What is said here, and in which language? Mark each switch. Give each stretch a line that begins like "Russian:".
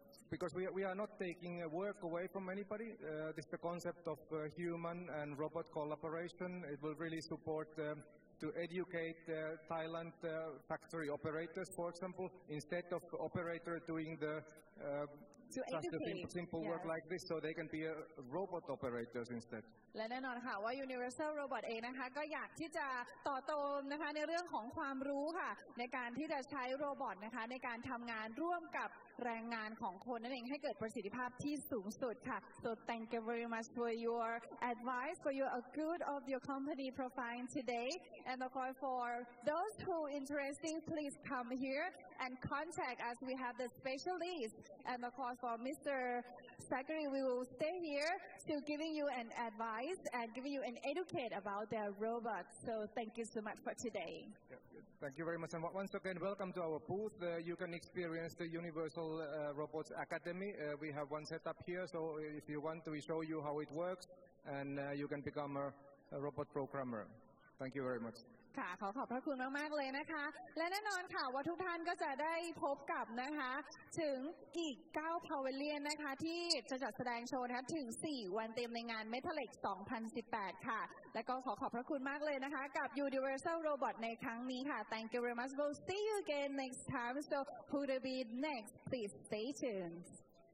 English: because we are not taking work away from anybody. This is the concept of human and robot collaboration. It will really support to educate Thailand factory operators, for example, instead of the operator doing the just a simple work like this, so they can be robot operators instead.
Thai: และแน่นอนค่ะว่า Universal Robot เองนะคะก็อยากที่จะต่อโตมนะคะในเรื่องของความรู้ค่ะในการที่จะใช้โรบอทนะคะในการทำงานร่วมกับแรงงานของคนนั่นเองให้เกิดประสิทธิภาพที่สูงสุดค่ะ
English: So thank you very much for your advice for your a good of your company profile today and of course for those who are interested please come here and contact us we have the specialist and of course for Mr. Zachary we will stay here to giving you an advice and giving you an educate about their robots so thank you so much for today Thank you very much. And once again, welcome to our booth. You can experience the Universal Robots Academy. We have one set up here. So if you want, we show you how it works and you can become a robot programmer. Thank you very much.
Thai: ค่ะขอขอบพระคุณมากๆเลยนะคะและแน่นอนค่ะว่าทุกท่านก็จะได้พบกับนะคะถึงอีก9 Pavilion นะคะที่จะจัดแสดงโชว์นะคะถึง4วันเต็มในงาน Metalex 2018ค่ะและก็ขอขอบพระคุณมากเลยนะคะกับ Universal Robot ในครั้งนี้ค่ะ
English: Thank you very much. We'll see you again next time. So who to be next? Please stay tuned.